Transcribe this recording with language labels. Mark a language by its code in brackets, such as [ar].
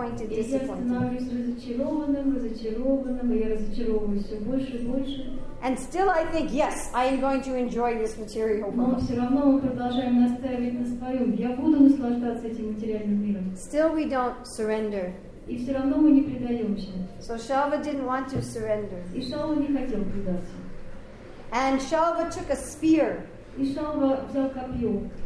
[ru] И я становлюсь разочарованным, и я разочаровываюсь все больше и больше. [en] And still I think, yes, I am going to enjoy this material world. [ru] Но все равно мы продолжаем настаивать на своем. Я буду наслаждаться этим материальным миром. [en] Still we don't surrender. [ru] И все равно мы не предаемся. [en] So Shalva didn't want to surrender. [ru] И Шалва не хотел предаться. [en] And Shalva took a spear. [ru] И Шалва взял копье.